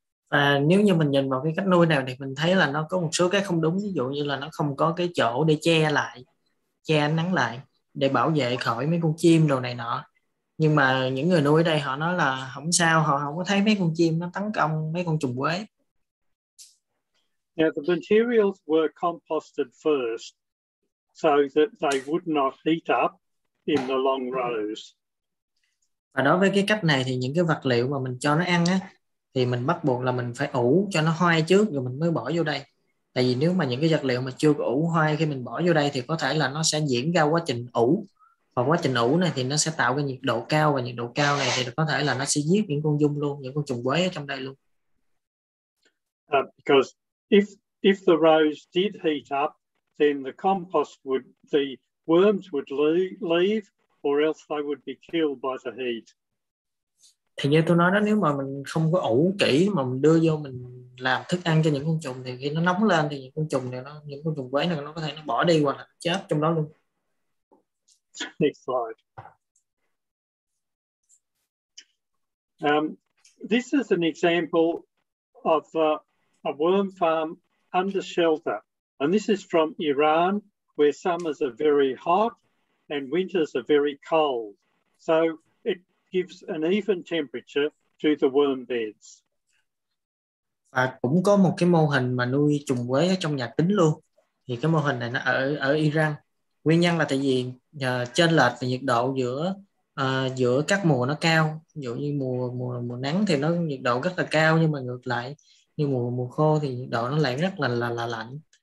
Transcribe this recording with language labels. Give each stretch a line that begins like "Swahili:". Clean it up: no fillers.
Vietnamese: Và nếu như mình nhìn vào cái cách nuôi này thì mình thấy là nó có một số cái không đúng, ví dụ như là nó không có cái chỗ để che nắng lại để bảo vệ khỏi mấy con chim đồ này nọ. Nhưng mà những người nuôi ở đây họ nói là không sao, họ không có thấy mấy con chim nó tấn công mấy con trùng quế.
English: Now the materials were composted first, so that they would not heat up in the long rows.
Vietnamese: Và đối với cái cách này thì những cái vật liệu mà mình cho nó ăn á, thì mình bắt buộc là mình phải ủ cho nó hoai trước rồi mình mới bỏ vô đây. Tại vì nếu mà những cái vật liệu mà chưa ủ hoai khi mình bỏ vô đây thì có thể là nó sẽ diễn ra quá trình ủ. Và quá trình ủ này thì nó sẽ tạo cái nhiệt độ cao, và nhiệt độ cao này thì có thể là nó sẽ giết những con giun luôn, những con trùng quế ở trong đây luôn.
English: Because if the rows did heat up, then the worms would leave, or else they would be killed by the heat.
Vietnamese: Thì như tôi nói đó, nếu mà mình không có ủ kỹ mà mình đưa vô mình làm thức ăn cho những con trùng, thì khi nó nóng lên thì những con trùng quế này nó có thể nó bỏ đi hoặc là chết trong đó luôn.
English: Next slide. This is an example of a worm farm under shelter. And this is from Iran, where summers are very hot and winters are very cold. So it gives an even temperature to the worm beds.
Vietnamese: Và cũng có một cái mô hình mà nuôi trùng quế ở trong nhà kính luôn. Thì cái mô hình này nó ở Iran. Nguyên nhân là tại vì chênh lệch về nhiệt độ giữa giữa các mùa nó cao. Ví dụ như mùa nắng thì nó nhiệt độ rất là cao, nhưng mà ngược lại như mùa khô thì nhiệt độ nó lại rất là lạnh.